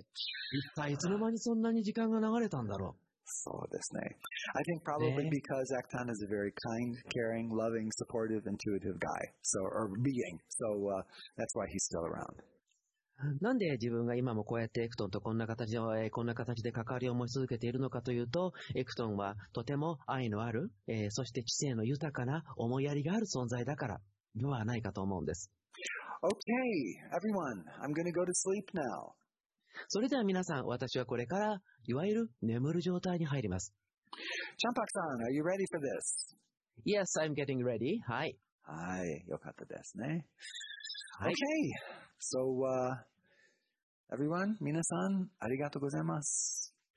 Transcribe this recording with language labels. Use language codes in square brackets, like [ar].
[ja] 一体いつの間にそんなに時間が流れたんだろう。そうですね。 [en] I think probably because Actan is a very kind, caring, loving, supportive, intuitive guy. So, or being. So, that's why he's still around. [ja] なんで自分が今もこうやってエクトンとこんな形で関わりを持ち続けているのかというと、エクトンはとても愛のある、そして知性の豊かな思いやりがある存在だからではないかと思うんです。 [en] Okay, everyone, I'm gonna go to sleep now. [ja] それでは皆さん、私はこれからいわゆる眠る状態に入ります。チャンパクさん、 [en] are you ready for this? Yes, I'm getting ready. [ja] はい、はい、よかったですね。 [en] Okay, so, everyone, [ja] 皆さん、ありがとうございます。